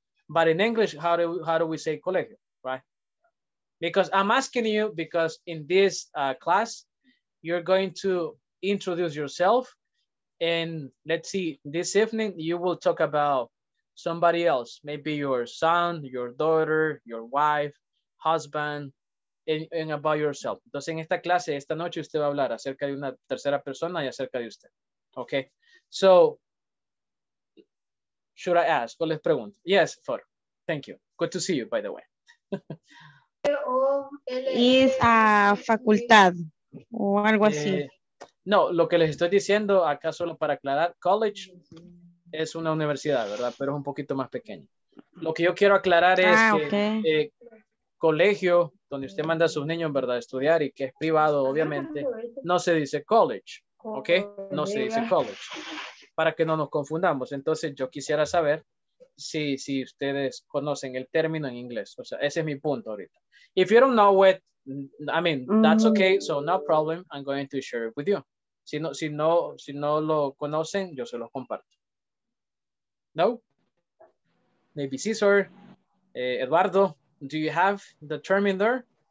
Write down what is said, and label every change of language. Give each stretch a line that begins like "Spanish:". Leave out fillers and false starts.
English: But in English, how do we say colegio, right? Because I'm asking you, because in this class, you're going to introduce yourself. And let's see, this evening, you will talk about somebody else, maybe your son, your daughter, your wife, husband, and about yourself.
Spanish: Entonces, en esta clase, esta noche, usted va a hablar acerca de una tercera persona y acerca de usted.
English: Okay. So, should I ask?
Spanish: O les pregunto.
English: Yes, Foro. Thank you. Good to see you, by the way.
Spanish: Es a facultad o algo así. No, lo que les estoy diciendo acá solo para aclarar, college es una universidad, ¿verdad? Pero es un poquito más pequeño. Lo que yo quiero aclarar es colegio, donde usted manda a sus niños, ¿verdad? A estudiar y que es privado, obviamente, no se dice college, ¿ok? No se dice college, para que no nos confundamos. Entonces, yo quisiera saber si ustedes conocen el término en inglés. O sea, ese es mi punto ahorita.
English: If you don't know it, I mean, that's okay. So no problem. I'm going to share it with you.
Spanish: Si no lo conocen, yo se los comparto.
English: No? Maybe Cesar. Eduardo, do you have the term in there?